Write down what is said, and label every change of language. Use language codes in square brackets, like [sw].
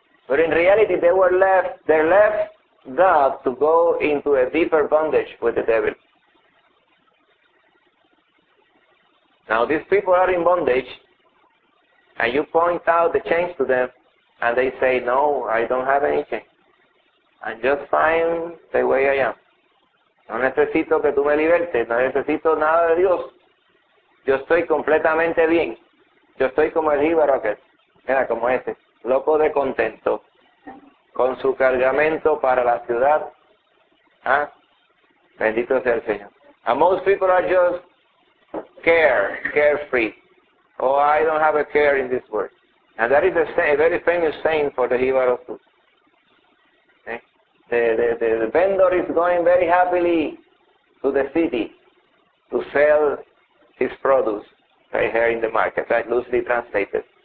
[en] But in reality, they're left God to go into a deeper bondage with the devil. Now these people are in bondage, and you point out the chains to them, and they say, no, I don't have any chains. I'm just fine the way I am. [es] No necesito que tú me libertes, no necesito nada de Dios. Yo estoy completamente bien. Yo estoy como el jíbaro aquel. Mira, como ese, loco de contento. Con su cargamento para la ciudad. ¿Ah? [en] Bendito sea el Señor. And most people are just carefree. Oh, I don't have a care in this world. And that is a very famous saying for the Jivaro Sutra. Okay? The vendor is going very happily to the city to sell his produce right here in the market, right? Loosely translated.